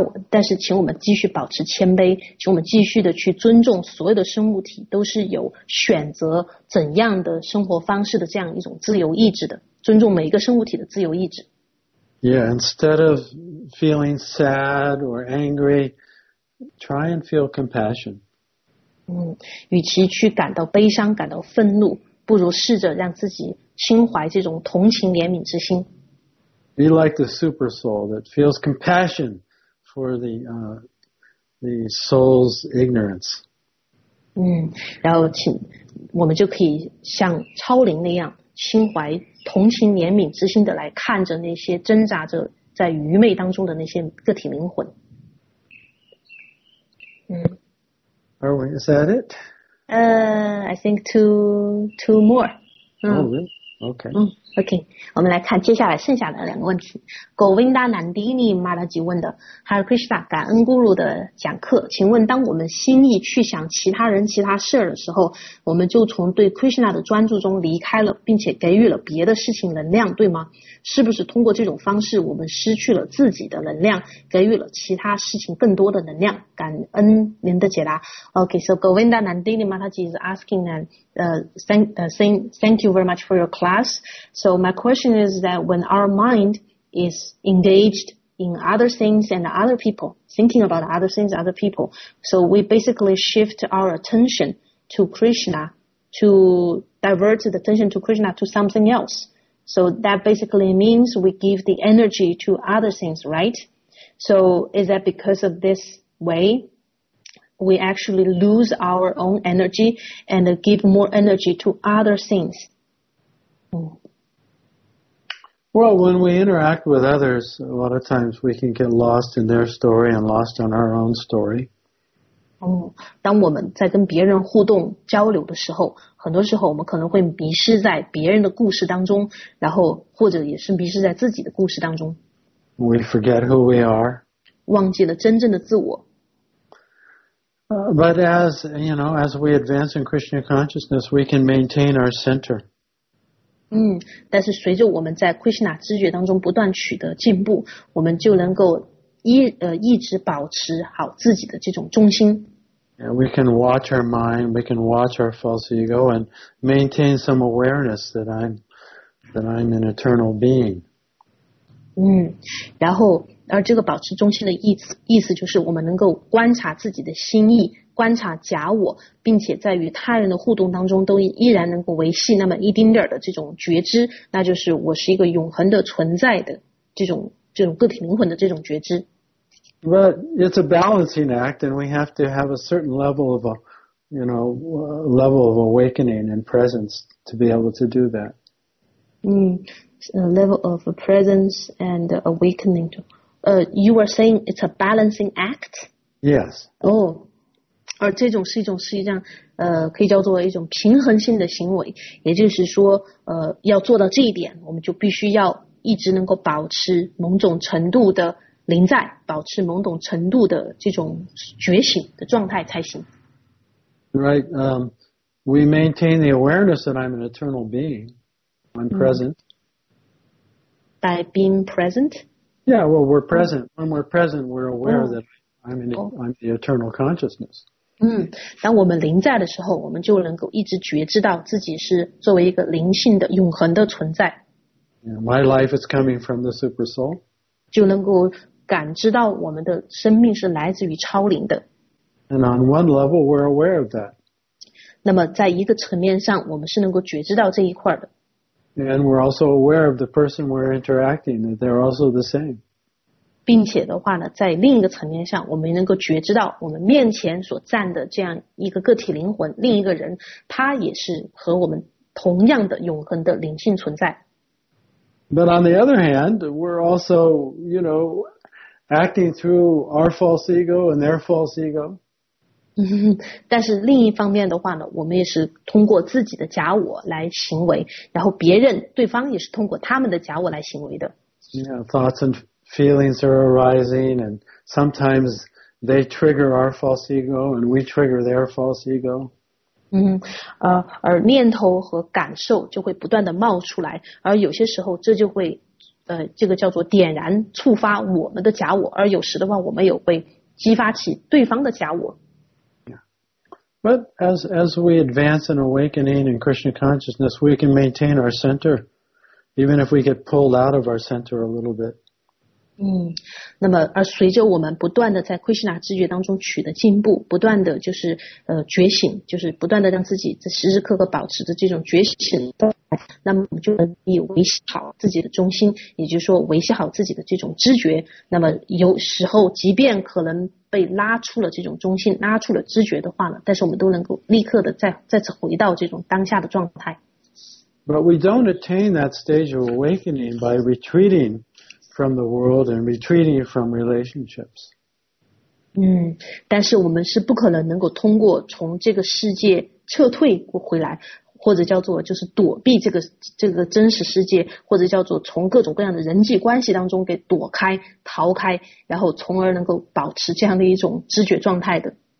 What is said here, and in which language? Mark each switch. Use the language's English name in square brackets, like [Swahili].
[Chinese] 但是请我们继续保持谦卑，请我们继续的去尊重所有的生物体都是有选择怎样的生活方式的这样一种自由意志的，尊重每一个生物体的自由意志。 [English] Yeah, instead of feeling sad or angry, try and feel compassion. [Chinese] 与其去感到悲伤感到愤怒，不如试着让自己心怀这种同情怜悯之心。 [English] Be like the super soul that feels compassion for the soul's ignorance. [Chinese] 然后我们就可以像超灵那样心怀同情怜悯之心的来看着那些挣扎着在愚昧当中的那些个体灵魂。 [English] Are we, is that it? I think two more. Okay. Okay. [Chinese] 我们来看接下来剩下的两个问题。 Govinda Nandini Maharaj 问的 ,Hare Krishna, 感恩 Guru 的讲课。请问当我们心意去想其他人其他事的时候，我们就从对 Krishna 的专注中离开了，并且给予了别的事情能量，对吗？是不是通过这种方式我们失去了自己的能量，给予了其他事情更多的能量？感恩您的解答。 [English] Okay, so Govinda Nandini Maharaj is asking that, thank you very much for your class. So my question is that when our mind is engaged in other things and other people, thinking about other things, other people, so we basically shift our attention to Krishna, to divert the attention to Krishna to something else. So that basically means we give the energy to other things, right? So is that because of this way we actually lose our own energy and give more energy to other things? Well, when we interact with others, a lot of times we can get lost in their story and lost on our own story. [Chinese] 当我们在跟别人互动交流的时候，很多时候我们可能会迷失在别人的故事当中，然后或者也是迷失在自己的故事当中。 [English] We forget who we are. [Chinese] 忘记了真正的自我。 [English] But as, you know, as we advance in Krishna consciousness, we can maintain our center. [Chinese] 但是随着我们在 Krishna 知觉当中不断取得进步，我们就能够一直保持好自己的这种中心。 [English] And we can watch our mind, we can watch our false ego, and maintain some awareness that I'm an eternal being. [Chinese] 然后而这个保持中心的意思就是我们能够观察自己的心意，观察假我，并且在与他人的互动当中都依然能够维系那么一丁点的这种觉知，那就是我是一个永恒的存在的这种个体灵魂的这种觉知。 [English] But it's a balancing act, and we have to have a certain level of a level of awakening and presence to be able to do that. A level of presence and awakening. You were saying it's a balancing act? Yes. [Chinese] Oh, 而这种是一种实际上可以叫做一种平衡性的行为，也就是说要做到这一点，我们就必须要一直能够保持某种程度的临在，保持某种程度的这种觉醒的状态才行。 [English] Right, we maintain the awareness that I'm an eternal being. I'm present. By being present? Yeah, well, we're present. When we're present, we're aware that I'm the eternal consciousness. [Chinese] 当我们临在的时候，我们就能够一直觉知到自己是作为一个灵性的永恒的存在。 [English] Yeah, my life is coming from the super soul. [Chinese] 就能够感知到我们的生命是来自于超灵的。 [English] And on one level, we're aware of that. [Chinese] 那么在一个层面上，我们是能够觉知到这一块的。 [English] And we're also aware of the person we're interacting, that they're also the same. [Chinese] 并且的话呢，在另一个层面上，我们能够觉知到我们面前所站的这样一个个体灵魂，另一个人，他也是和我们同样的永恒的灵性存在。 [English] But on the other hand, we're also, you know, acting through our false ego and their false ego. [Chinese] 但是另一方面的话呢，我们也是通过自己的假我来行为，然后别人，对方也是通过他们的假我来行为的。 [English] Yeah, thoughts and feelings are arising, and sometimes they trigger our false ego, and we trigger their false ego. [Chinese] 而念头和感受就会不断的冒出来，而有些时候这就会这个叫做点燃触发我们的假我，而有时的话我们也会激发起对方的假我。 [English] Yeah. But as we advance in awakening and Krishna consciousness, we can maintain our center, even if we get pulled out of our center a little bit. [Chinese] 那么而随着我们不断的在 Krishna 知觉当中取得进步，不断的就是觉醒，就是不断的让自己在时时刻刻保持着这种觉醒，那么我们就能以维系好自己的中心，也就是说维系好自己的这种知觉，那么有时候即便可能被拉出了这种中心，拉出了知觉的话呢，但是我们都能够立刻的再次回到这种当下的状态。 [English] But we don't attain that stage of awakening by retreating from the world and retreating from relationships. [Chinese] 但是我们是不可能能够通过从这个世界撤退回来，或者叫做就是躲避这个真实世界，或者叫做从各种各样的人际关系当中给躲开逃开，然后从而能够保持这样的一种知觉状态的。